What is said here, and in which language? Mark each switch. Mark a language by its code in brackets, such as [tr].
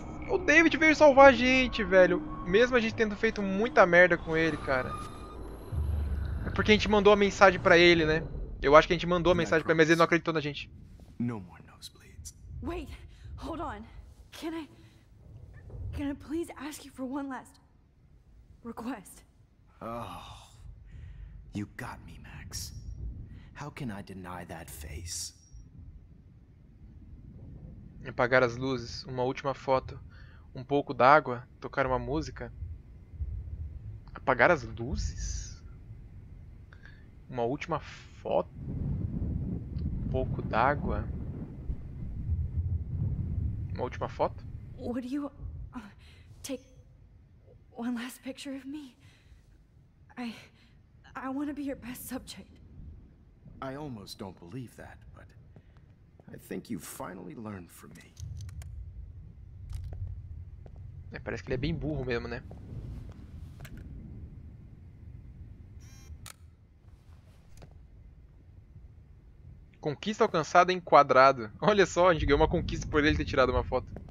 [pt] O David veio salvar a gente, velho. Mesmo a gente tendo feito muita merda com ele, cara. É porque a gente mandou a mensagem pra ele, né? Eu acho que a gente mandou a mensagem pra ele, mas ele não acreditou na gente. [en] No more nosebleeds. Wait, hold on. Can I please ask you for one last request? Oh, you got me, Max. How can I deny that face? [pt] Apagar as luzes, uma última foto, um pouco d'água, tocar uma música. Apagar as luzes? Uma última foto, um pouco d'água. Uma última foto? [en] Would you take one last picture of me? I want to be your best subject. I almost don't believe that, but I think you finally learned from me. [pt] É, parece que ele é bem burro mesmo, né? Conquista alcançada em quadrado. Olha só, a gente ganhou uma conquista por ele ter tirado uma foto.